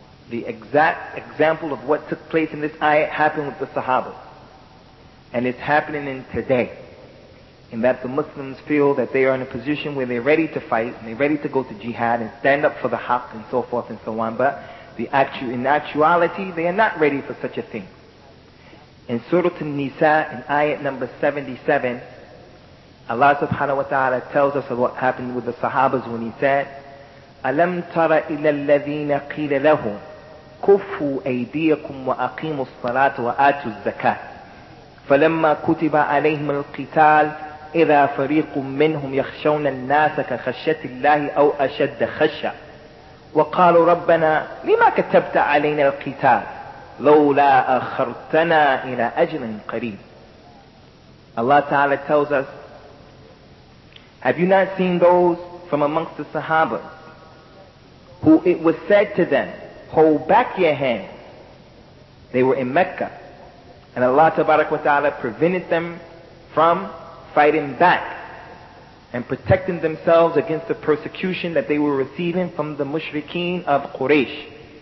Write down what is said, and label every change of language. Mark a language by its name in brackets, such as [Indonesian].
[English] The exact example of what took place in this ayah happened with the Sahabas. And it's happening in today. In that the Muslims feel that they are in a position where they're ready to fight, and they're ready to go to jihad and stand up for the haqq and so forth and so on, but in actuality, they are not ready for such a thing. In Surah An-Nisa, in ayat number 77, Allah subhanahu wa ta'ala tells us of what happened with the Sahabas when he said, [Arabic] أَلَمْ تَرَ إِلَى الَّذِينَ قِيلَ لَهُمْ كُفُّوا أَيْدِيَكُمْ وَأَقِيمُوا الصَّلَاةُ وَآتُوا الزَّكَاةِ فَلَمَّا كُتِبَ عَلَيْهِمُ الْقِتَالِ إِذَا فَرِيقٌ مِّنْهُمْ يَخْشَوْنَ النَّاسَ كَخَشَّةِ اللَّهِ أَوْ أَشَدَّ خَشَّةِ وَقَالُوا رَبَّنَا لِمَا كَتَبْتَ عَلَيْنَا الْقِتَالِ لَوْلَا أَخَّرْتَنَا إِلَى أَجْلٍ قَرِيبٍ. [English] Allah Ta'ala tells us, have you not seen those from amongst the Sahaba who it was said to them, hold back your hand? They were in Mecca, and Allah Tabarak wa Ta'ala prevented them from fighting back and protecting themselves against the persecution that they were receiving from the mushrikeen of Quraysh.